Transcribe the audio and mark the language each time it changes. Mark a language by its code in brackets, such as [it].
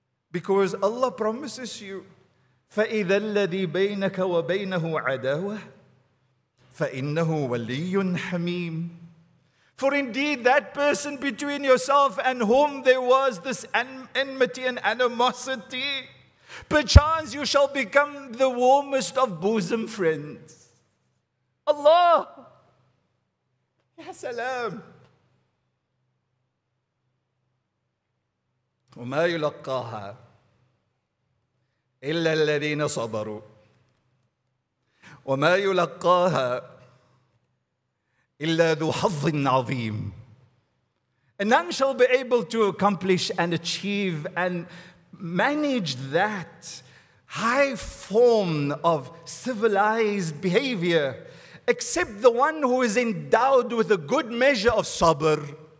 [en] Because Allah promises you, [ar] فإذا الذي بينك وبينه عداوة فإنه ولي حميم. [en] For indeed that person between yourself and whom there was this enmity and animosity, perchance you shall become the warmest of bosom friends. [ar] Allah! Ya salam! وما يلقاها إلا الذين صبروا وما يلقاها إلا ذو حظ عظيم. [en] And none shall be able to accomplish and achieve and manage that high form of civilized behavior except the one who is endowed with a good measure of sabr.